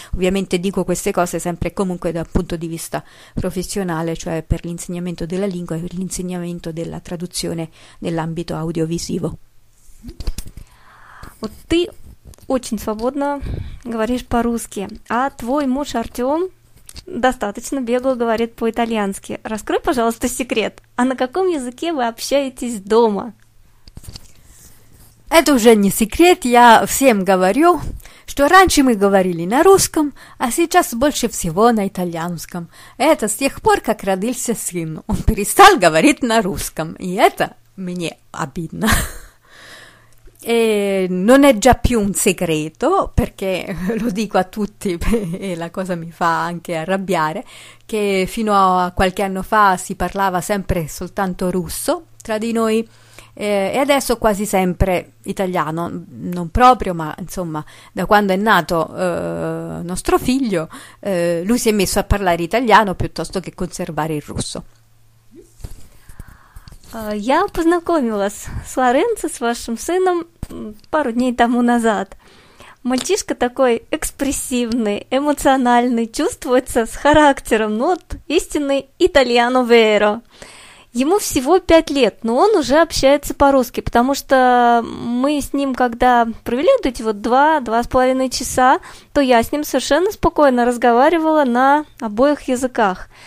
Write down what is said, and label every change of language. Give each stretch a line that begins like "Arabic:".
Italian: Ovviamente dico queste cose sempre comunque dal punto di vista professionale, cioè per l'insegnamento della lingua e per l'insegnamento della traduzione nell'ambito audiovisivo.
Russian: Ti очень свободно говоришь по-русски, а твой муж Артём достаточно бегло говорит по-итальянски. Раскрой, пожалуйста, секрет. А на каком языке вы общаетесь дома? Это уже не секрет. Я всем говорю, что раньше мы говорили на русском, а сейчас больше всего на итальянском. Это с тех пор, как родился сын. Он перестал говорить на русском. И это мне обидно.
Italian: E non è già più un segreto, perché lo dico a tutti e la cosa mi fa anche arrabbiare, che fino a qualche anno fa si parlava sempre soltanto russo tra di noi, e adesso quasi sempre italiano, non proprio, ma insomma da quando è nato nostro figlio lui si è messo a parlare italiano piuttosto che conservare il russo.
Russian: Я познакомилась с Лоренцо, с вашим сыном, пару дней тому назад. Мальчишка такой экспрессивный, эмоциональный, чувствуется с характером, ну вот истинный
Italian: итальяно веро.
Russian: Ему всего 5 лет, но он уже общается по-русски, потому что мы с ним, когда провели вот эти вот 2-2,5 часа, то я с ним совершенно спокойно разговаривала на обоих языках.